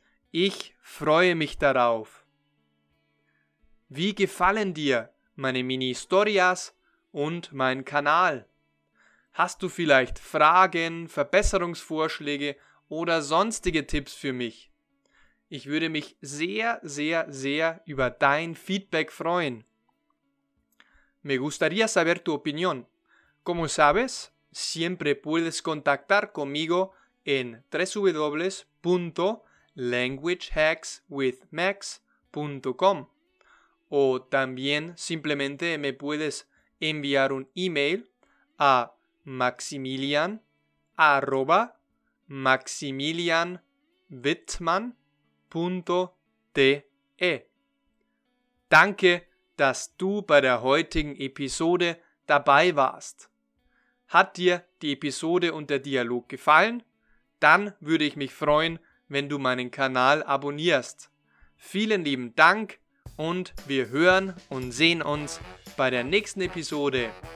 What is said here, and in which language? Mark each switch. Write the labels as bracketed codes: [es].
[de] Ich freue mich darauf. Wie gefallen dir meine Mini-Storias und mein Kanal? Hast du vielleicht Fragen, Verbesserungsvorschläge oder sonstige Tipps für mich? Ich würde mich sehr, sehr, sehr über dein Feedback freuen. [es] Me gustaría saber tu opinión. Como sabes, siempre puedes contactar conmigo en www.languagehackswithmax.com o también simplemente me puedes enviar un email a maximilian@maximilianwittmann.de. [de] Danke, dass du bei der heutigen Episode dabei warst. Hat dir die Episode und der Dialog gefallen? Dann würde ich mich freuen, wenn du meinen Kanal abonnierst. Vielen lieben Dank und wir hören und sehen uns bei der nächsten Episode.